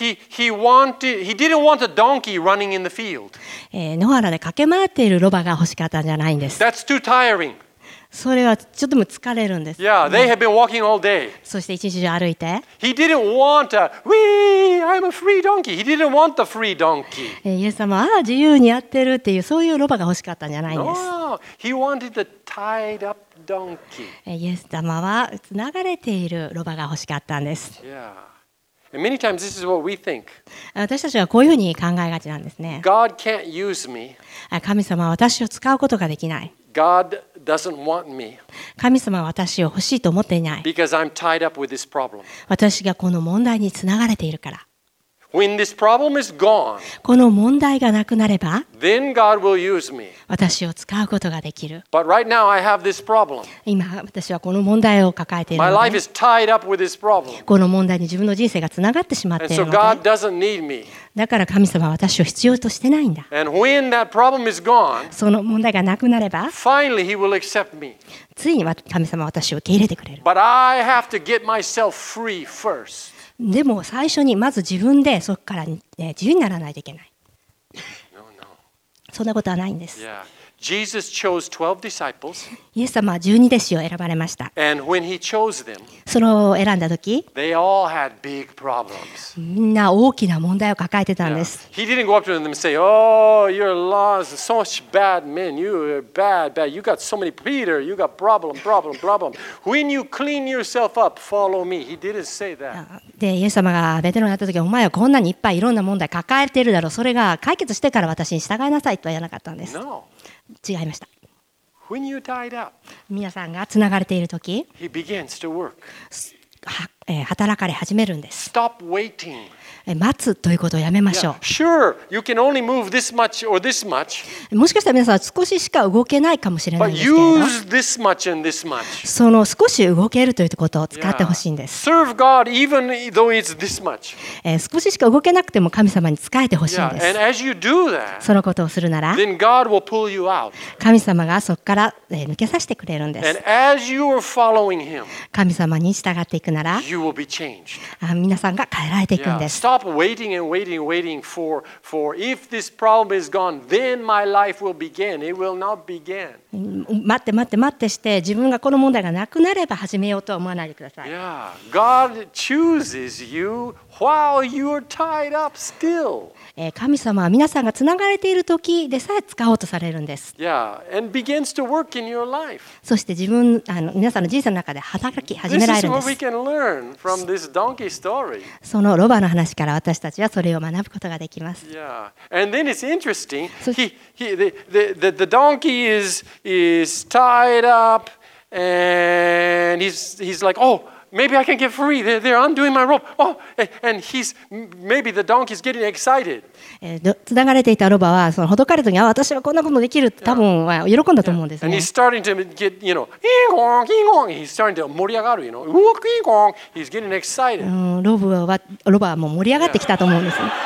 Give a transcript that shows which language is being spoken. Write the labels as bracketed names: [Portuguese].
[English] He didn't want a donkey running in the field. [Japanese] 野原で駆け回っているロバが欲しかったんじゃないんです。 [English] That's too tiring. [Japanese] それはちょっとも疲れるんです。 [English] Yeah, they have been walking all day. [Japanese] そして一日中歩いて。 [English] He didn't want a wee, I'm a free donkey. He didn't want the free donkey. [Japanese] イエス様は自由にやってるっていうそういうロバが欲しかったんじゃないんです。 [English] He wanted the tied up donkey. [Japanese] イエス様はつながれているロバが欲しかったんです。 [English] Yeah. And many times this is what we think. [Japanese] 私たちはこういうふうに考えがちなんですね。 [English] God can't use me. [Japanese] 神様は私を使うことができない。 [English] God doesn't want me. [Japanese] 神様は私を欲しいと思っていない。 [English] Because I'm tied up with this problem. [Japanese] 私がこの問題につながれているから。 [English] When this problem is gone, [Japanese] この問題がなくなれば、 [English] then God will use me. [Japanese] 私を使うことができる。 [English] But right now I have this problem. [Japanese] 今私はこの問題を抱えているので、 [English] my life is tied up with this problem. [Japanese] この問題に自分の人生がつながってしまっているので、 [English] and so God doesn't need me. [Japanese] だから神様は私を必要としてないんだ。 [English] And when that problem is gone, [Japanese] その問題がなくなれば、 [English] finally He will accept me. [Japanese] ついに神様は私を受け入れてくれる。 [English] But I have to get myself free first. [Japanese] でも最初にまず自分でそこから自由にならないといけない。 [English] No, no. [Japanese] そんなことはないんです。 [English] Yeah. Jesus chose 12 disciples. [Japanese] イエス様は十二弟子を選ばれました。 [English] And when he chose them, [Japanese] それを選んだとき、 [English] they all had big problems. [Japanese] みんな大きな問題を抱えてたんです。 [English] Yeah. He didn't go up to them and say, "Oh, you're lost, such bad men. You're bad, bad. You got so many Peter. You got problem, problem, problem. When you clean yourself up, follow me." He didn't say that. [Japanese] で、イエス様がベテロンになったとき、お前はこんなにいっぱいいろんな問題抱えてるだろう。それが解決してから私に従いなさいとは言わなかったんです。 [English] No. [Japanese] 違いました。 [English] When you tied up, [Japanese] 皆さんがつながれているとき、 [English] he begins to work. [Japanese] 働かれ始めるんです。 [English] Stop waiting. [Japanese] 待つということをやめましょう。 [English] Yeah. Sure, you can only move this much or this much. [Japanese] もしかしたら皆さんは少ししか動けないかもしれないんですけど、 [English] but use this much and this much. [Japanese] その少し動けるということを使ってほしいんです。 [English] Yeah. Serve God even though it's this much. [Japanese] 少ししか動けなくても神様に仕えてほしいんです。 [English] Yeah. And as you do that, [Japanese] そのことをするなら、 [English] then God will pull you out. [Japanese] 神様がそこから抜けさせてくれるんです。 [English] And as you are following him, [Japanese] 神様に従っていくなら、 [English] you will be changed. [Japanese] 皆さんが変えられていくんです。 [English] Yeah. Stop waiting and waiting and waiting for if this problem is gone, then my life will begin. It will not begin. [Japanese] 待って待って待ってして自分がこの問題がなくなれば始めようとは思わないでください。 [English] Yeah. God chooses you while you're tied up still. [Japanese] 神様は皆さんがつながれている時でさえ使おうとされるんです。 [English] Yeah. And begins to work in your life. [Japanese] そして自分皆さんの人生の中で働き始められるんです。 [English] This is what we can learn. from this donkey story. [Japanese] そのロバの話から私たちはそれを学ぶことができます。 [English] Yeah. And then it's interesting. The donkey is tied up and he's like, oh, maybe I can get free. They're undoing my rope. Oh, and he's maybe the donkey's getting excited. [Japanese] つながれていたロバはそのほどかれた時に、あ、私はこんなこともできるって多分は喜んだと思うんですね。 [English] And he's starting to get, you know, イーゴン、イーゴン、he's starting to 盛り上がる、you know, ウォーク、イーゴン、he's getting excited. [Japanese] ロバはもう盛り上がってきたと思うんです。